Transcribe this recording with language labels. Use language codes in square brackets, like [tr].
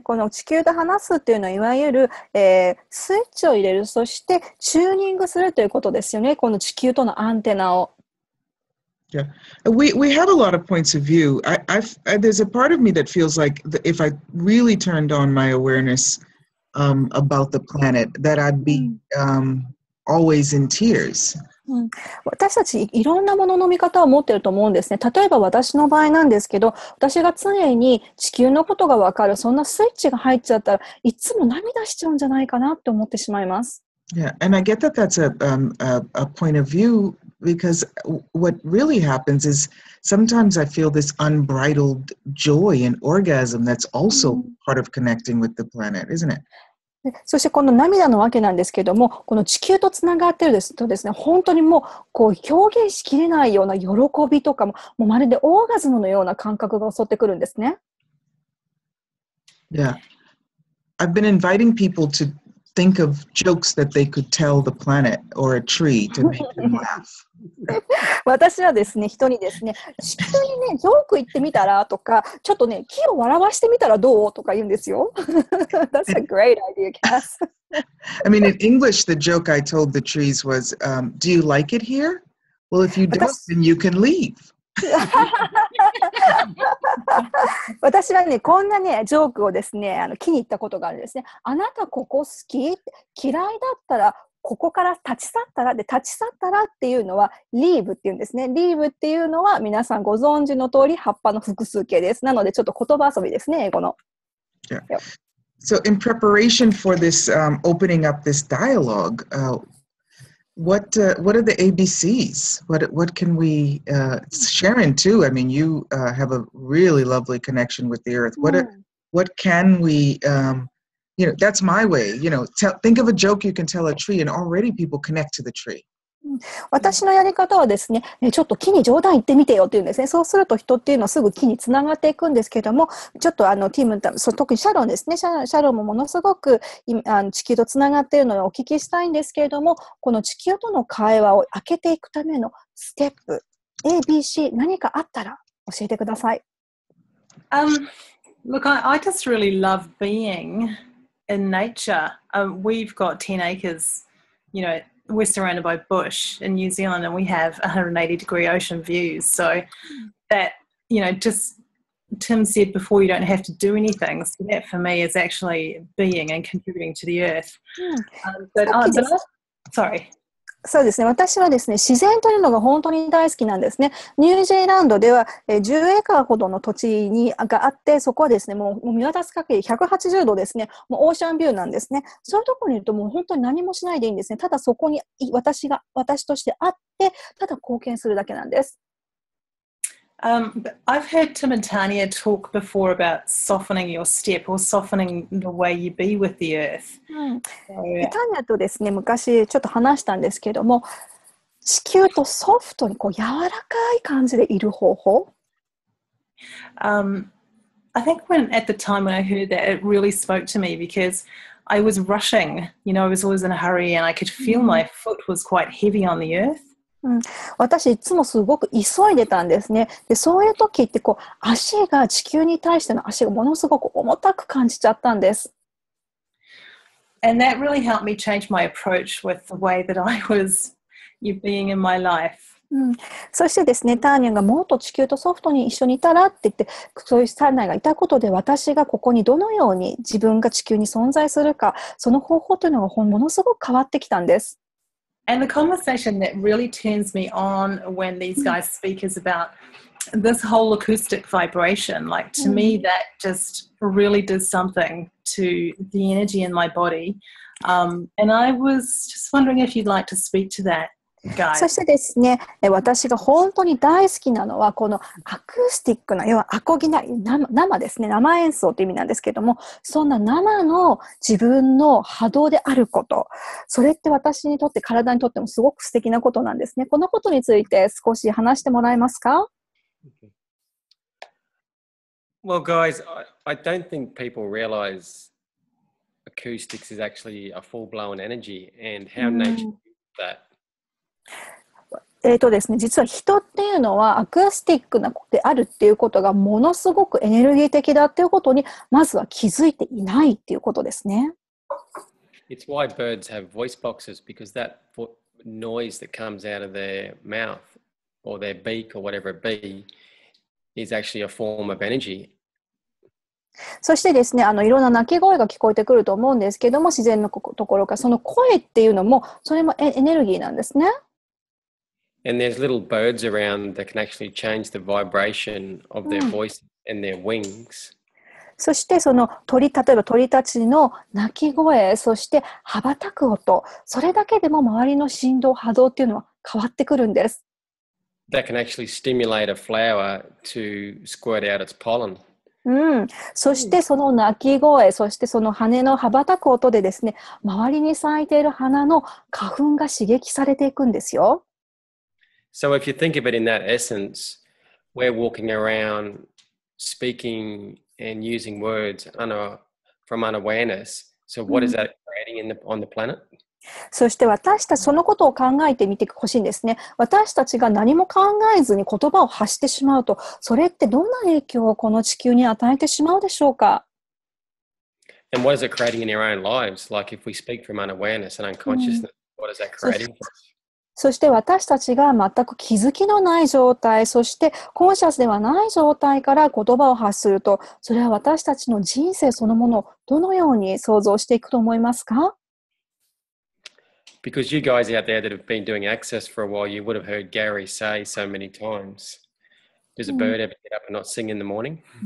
[ja] この地球と話すっていうのはいわゆる、スイッチを入れる、そしてチューニングするということですよね。この地球とのアンテナを。 [en] Yeah, we have a lot of points of view. I there's a part of me that feels like if I really turned on my awareness about the planet, that I'd be always in tears. [ja] 私たちいろんなものの見方を持っていると思うんですね。例えば私の場合なんですけど、私が常に地球のことが分かる、そんなスイッチが入っちゃったら、いつも涙しちゃうんじゃないかなって思ってしまいます。 [en] Yeah, and I get that that's a point of view because what really happens is sometimes I feel this unbridled joy and orgasm that's also part of connecting with the planet, isn't it? [ja] そしてこの涙のわけなんですけども、この地球とつながってるですとですね、本当にもうこう表現しきれないような喜びとか もうまるでオーガズムのような感覚が襲ってくるんですね。 [en] Yeah, I've been inviting people to think of jokes that they could tell the planet or a tree to make them laugh. [ja] 私はですね、人にですね、地球にね、ジョーク言ってみたらとか、ちょっとね、木を笑わしてみたらどうとか言うんですよ。 [en] That's a great idea, Kass. I mean, in English, the joke I told the trees was, do you like it here? Well, if you don't, then you can leave. [ja] 私はね、こんなね、ジョークをですね、あの、気に入ったことがあるんですね。あなたここ好き？嫌いだったら、ここから立ち去ったら、で、立ち去ったらっていうのは、リーブっていうんですね。リーブっていうのは、皆さんご存知の通り、葉っぱの複数形です。なので、ちょっと言葉遊びですね、英語の。 [en] Yeah. So, in preparation for this, opening up this dialogue, What are the ABCs? What can we... Sharon, too, I mean, you have a really lovely connection with the Earth. What can we... you know, that's my way. You know, think of a joke you can tell a tree, and already people connect to the tree. [ja] 私のやり方はですね、ちょっと木に冗談言ってみてよっていうんですね。そうすると人っていうのはすぐ木につながっていくんですけども、ちょっとあのティム、特にシャロンですね、シャロンもものすごく地球とつながっているのをお聞きしたいんですけれども、この地球との会話を開けていくためのステップ、 ABC 何かあったら教えてください。 [en] Look, I just really love being in nature. We've got 10 acres, you knowWe're surrounded by bush in New Zealand, and we have 180 degree ocean views. So that, you know, just Tim said before, you don't have to do anything. So that for me is actually being and contributing to the earth. But, sorry. [ja] そうですね。私はですね、自然というのが本当に大好きなんですね。ニュージーランドでは10エーカーほどの土地にがあって、そこはですね、もう見渡す限り180度ですね、もうオーシャンビューなんですね。そういうところにいるともう本当に何もしないでいいんですね。ただそこに私としてあって、ただ貢献するだけなんです。 [en] I've heard Tim and Tanya talk before about softening your step or softening the way you be with the earth. [ja] Tanya とですね、昔ちょっと話したんですけども、地球とソフトにこう柔らかい感じでいる方法。 [en] I think at the time when I heard that, it really spoke to me because I was rushing. You know, I was always in a hurry, and I could feel my foot was quite heavy on the earth. [ja] 私いつもすごく急いでたんですね。でそういう時ってこう足が地球に対しての足がものすごく重たく感じちゃったんです。 [en] And that really helped me change my approach with the way that I was being in my life. [ja] そしてですね、ターニャがもっと地球とソフトに一緒にいたらって言って、そういうターニャがいたことで私がここにどのように自分が地球に存在するか、その方法というのがものすごく変わってきたんです。 [en] And the conversation that really turns me on when these guys speak is about this whole acoustic vibration. Like to me, that just really does something to the energy in my body. And I was just wondering if you'd like to speak to that guy. [ja] そしてですね、私が本当に大好きなのはこのアクースティックな、要はアコギな、生ですね、生演奏という意味なんですけども、そんな生の自分の波動であること、それって私にとって、体にとってもすごく素敵なことなんですね。このことについて少し話してもらえますか？ [en] Okay. Well, guys, I don't think people realize acoustics is actually a full-blown energy and how nature does that. [ja] ですね、実は人っていうのはアクースティックなことであるっていうことがものすごくエネルギー的だっていうことにまずは気づいていないっていうことですね。 [en] It's why birds have voice boxes because that noise that comes out of their mouth or their beak or whatever it be is actually a form of energy. [ja] そしてですね、いろんな鳴き声が聞こえてくると思うんですけども、自然のところからその声っていうのも、それもエネルギーなんですね。 [en] And there's little birds around that can actually change the vibration of their voice and their wings. [ja] そしてその鳥、例えば鳥たちの鳴き声、そして羽ばたく音、それだけでも周りの振動、波動っていうのは変わってくるんです。 [en] That can actually stimulate a flower to squirt out its pollen. [ja] そしてその鳴き声、そしてその羽の羽ばたく音でですね、周りに咲いている花の花粉が刺激されていくんですよ。 [en] So if you think of it in that essence, we're walking around speaking and using words from unawareness. So what is that creating on the planet? [ja] そして私たちそのことを考えてみてほしいんですね。私たちが何も考えずに言葉を発してしまうと、それってどんな影響をこの地球に与えてしまうでしょうか。 [en] And what is it creating in your own lives? Like if we speak from unawareness and unconsciousness, what is that creating for us? [ja] そして私たちが全く気づきのない状態、そしてコンシャスではない状態から言葉を発すると、それは私たちの人生そのものをどのように想像していくと思いますか。 [en] Because you guys out there that have been doing access for a while, you would have heard Gary say so many times, does a bird ever get up and not sing in the morning?